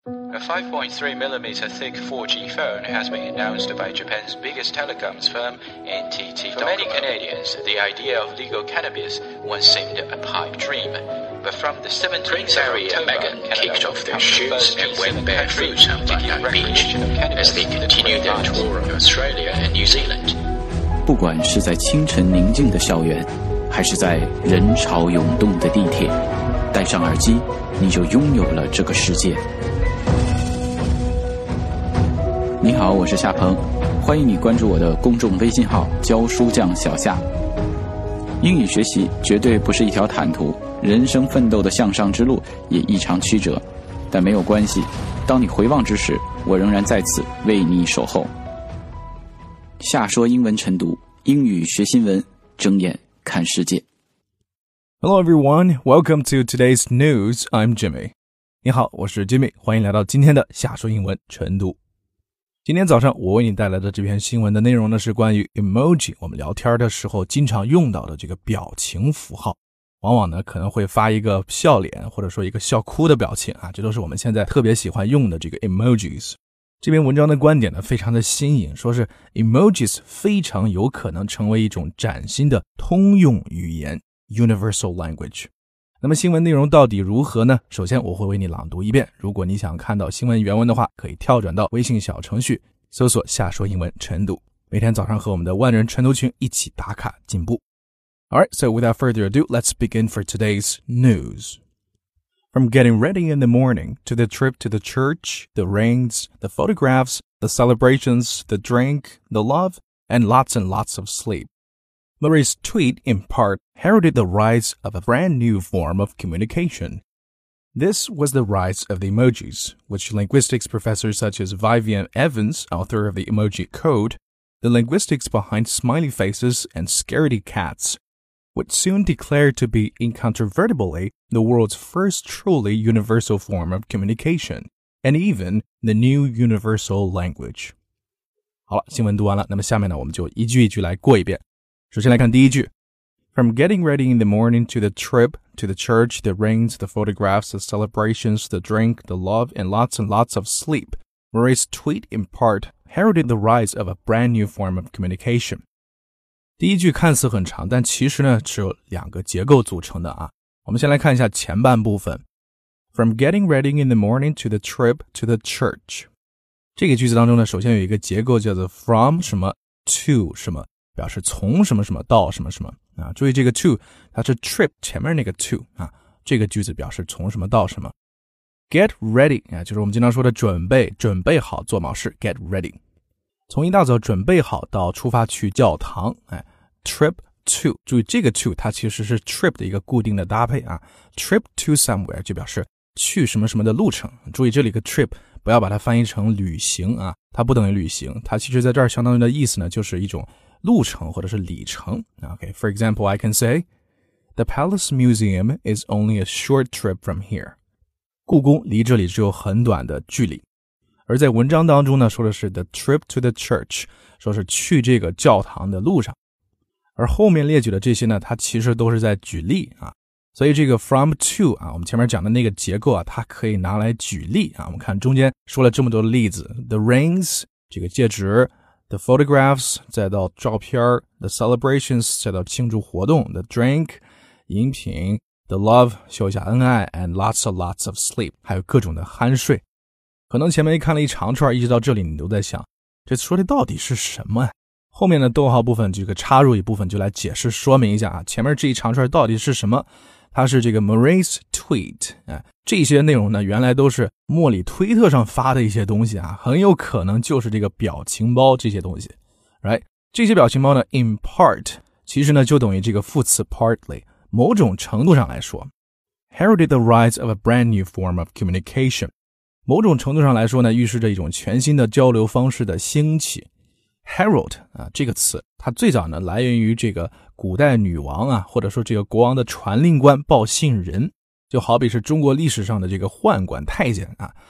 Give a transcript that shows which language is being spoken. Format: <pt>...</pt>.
<en>A 5.3 millimeter thick 4G phone has been announced by Japan's biggest telecoms firm, NTT Docomo. For many Canadians, the idea of legal cannabis once seemed a pipe dream. But from the 17th of October, Megan kicked off their shoots and went barefoot on Bondi Beach as they continued their tour of Australia and New Zealand.</en> <zh>不管是在清晨宁静的校园，还是在人潮涌动的地铁，戴上耳机，你就拥有了这个世界。你好，我是夏鹏，欢迎你关注我的公众微信号教书匠小夏。英语学习绝对不是一条坦途，人生奋斗的向上之路也异常曲折，但没有关系，当你回望之时，我仍然在此为你守候。夏说英文晨读，英语学新闻，睁眼看世界。</zh> <en>Hello everyone, welcome to today's news, I'm Jimmy.</en> <zh>你好，我是 Jimmy, 欢迎来到今天的夏说英文晨读。今天早上我为你带来的这篇新闻的内容呢，是关于 emoji， 我们聊天的时候经常用到的这个表情符号，往往呢可能会发一个笑脸或者说一个笑哭的表情啊，这都是我们现在特别喜欢用的这个 emojis。这篇文章的观点呢非常的新颖，说是 emojis 非常有可能成为一种崭新的通用语言 universal language。那么新闻内容到底如何呢？首先我会为你朗读一遍，如果你想看到新闻原文的话，可以跳转到微信小程序搜索夏说英文晨读，每天早上和我们的万人晨读群一起打卡进步。</zh> <en>Alright, so without further ado, let's begin for today's news. From getting ready in the morning, to the trip to the church, the rains, the photographs, the celebrations, the drink, the love, and lots of sleepMurray's tweet, in part, heralded the rise of a brand new form of communication. This was the rise of the emojis, which linguistics professors such as Vivian Evans, author of The Emoji Code, the linguistics behind smiley faces and scaredy cats, would soon declare to be incontrovertibly the world's first truly universal form of communication, and even the new universal language.</en> <zh>好了，新闻读完了，那么下面呢，我们就一句一句来过一遍。首先来看第一句。</zh> <en>From getting ready in the morning to the trip, to the church, the rains, the photographs, the celebrations, the drink, the love, and lots of sleep, Murray's tweet in part heralded the rise of a brand new form of communication.</en> <zh>第一句看似很长，但其实呢是有两个结构组成的啊。我们先来看一下前半部分。</zh> <en>From getting ready in the morning to the trip to the church.</en> <zh>这个句子当中呢，首先有一个结构叫做 from 什么 to 什么。表示从什么什么到什么什么啊，注意这个 to 它是 trip 前面那个 to 啊，这个句子表示从什么到什么。</zh> <en>get ready</en> <zh>啊，就是我们经常说的准备，准备好做某事 get ready，从一大早准备好到出发去教堂，哎， trip to， 注意这个 to 它其实是 trip 的一个固定的搭配啊， trip to somewhere 就表示去什么什么的路程，注意这里个 trip不要把它翻译成旅行啊，它不等于旅行，它其实在这儿相当于的意思呢就是一种路程或者是里程。</zh> <en>Okay, for example, I can say The Palace Museum is only a short trip from here.</en> <zh>故宫离这里只有很短的距离。而在文章当中呢说的是 the trip to the church，说是去这个教堂的路上。而后面列举的这些呢它其实都是在举例啊。所以这个 from to 啊，我们前面讲的那个结构啊，它可以拿来举例啊。我们看中间说了这么多例子， The rings 这个戒指， The photographs, 再到照片， The celebrations, 再到庆祝活动， The drink, 饮品， The love, 秀一下恩爱， And lots of sleep, 还有各种的酣睡。可能前面看了一长串，一直到这里你都在想，这说的到底是什么？后面的逗号部分，这个插入一部分就来解释说明一下啊，前面这一长串到底是什么？它是这个 Murray's tweet， 这些内容呢原来都是莫里推特上发的一些东西啊，很有可能就是这个表情包这些东西。</zh> <en>Right?</en> <zh>这些表情包呢 in part，其实呢就等于这个副词 partly， 某种程度上来说。</zh> <en>Heralded the rise of a brand new form of communication.</en> <zh>某种程度上来说呢预示着一种全新的交流方式的兴起。 Herald 啊，这个词它最早呢来源于这个古代女王啊，或者说这个国王的传令官报信人，就好比是中国历史上的这个宦官太监啊。</zh>